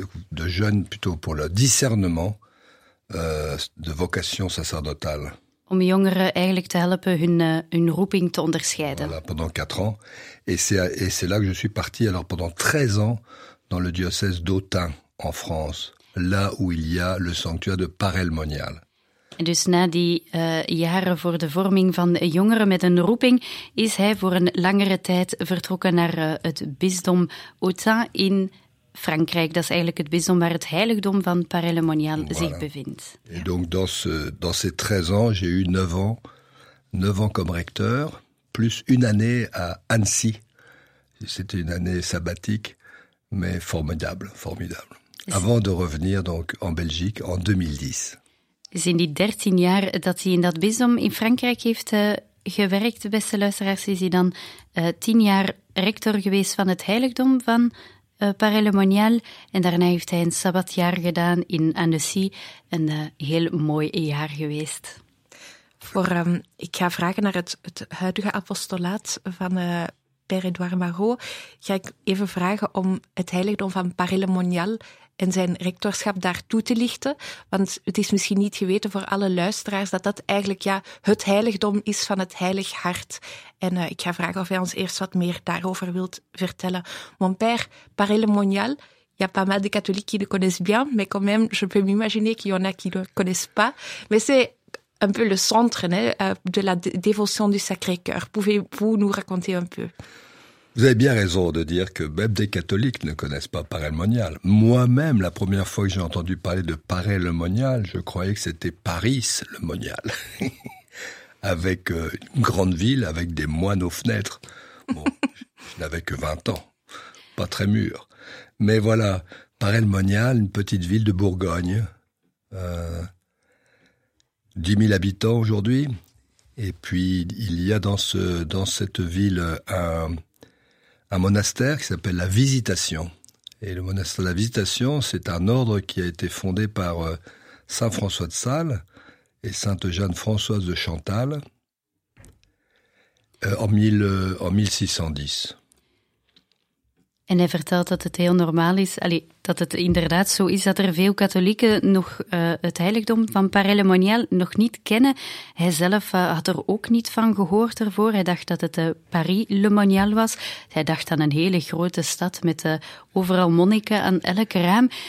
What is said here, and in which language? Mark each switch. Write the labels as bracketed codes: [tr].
[fr] de jeunes, plutôt pour le discernement de vocation sacerdotale. [nl] Om jongeren eigenlijk te helpen hun roeping te onderscheiden. [fr] Voilà, pendant 4 ans. Et c'est là que je suis parti, alors pendant 13 ans, dans le diocèse d'Autun, en France. Là où il y a le sanctuaire de Paray-le-Monial. [nl] En dus na die jaren voor de vorming van jongeren met een roeping, is hij voor een langere tijd vertrokken naar het bisdom Autun in Frankrijk. Dat is eigenlijk het bisdom waar het heiligdom van Paray-le-Monial voilà. zich bevindt. [fr] Et donc dans ces 13 ans, j'ai eu 9 ans comme recteur, plus une année à Annecy. C'était une année sabbatique, mais formidable. Avant de revenir donc en Belgique en 2010. [nl] Dus in die 13 jaar dat hij in dat bisdom in Frankrijk heeft gewerkt, beste luisteraars, is hij dan 10 jaar rector geweest van het heiligdom van Paray-le-Monial. En daarna heeft hij een sabbatjaar gedaan in Annecy. Een heel mooi jaar geweest. Ik ga vragen naar het huidige apostolaat van Père-Édouard Marot. Ga ik even vragen om het heiligdom van Paray-le-Monial en zijn rectorschap daar toe te lichten. Want het is misschien niet geweten voor alle luisteraars dat eigenlijk het heiligdom is van het Heilig Hart. En ik ga vragen of hij ons eerst wat meer daarover wilt vertellen. [fr] Mon père, Paray-le-Monial, il y a pas mal de catholiques qui le connaissent bien, mais quand même, je peux m'imaginer qu'il y en a qui ne le connaissent pas. Mais c'est un peu le centre de la dévotion du Sacré-Cœur. Pouvez-vous nous raconter un peu? Vous avez bien raison de dire que même des catholiques ne connaissent pas Paray-le-Monial. Moi-même, la première fois que j'ai entendu parler de Paray-le-Monial, je croyais que c'était Paris-le-Monial, avec une grande ville, avec des moines aux fenêtres. Bon, je n'avais que 20 ans, pas très mûr. Mais voilà, Paray-le-Monial, une petite ville de Bourgogne, 10 000 habitants aujourd'hui. Et puis, il y a dans cette ville un monastère qui s'appelle la Visitation. Et le monastère de la Visitation, c'est un ordre qui a été fondé par Saint François de Sales et Sainte Jeanne Françoise de Chantal en 1610. [nl] En hij vertelt dat het heel normaal is, dat het inderdaad zo is dat er veel katholieken nog het heiligdom van Paray-le-Monial nog niet kennen. Hij zelf had er ook niet van gehoord ervoor. Hij dacht dat het Paray-le-Monial was. Hij dacht aan een hele grote stad met overal monniken aan elk raam.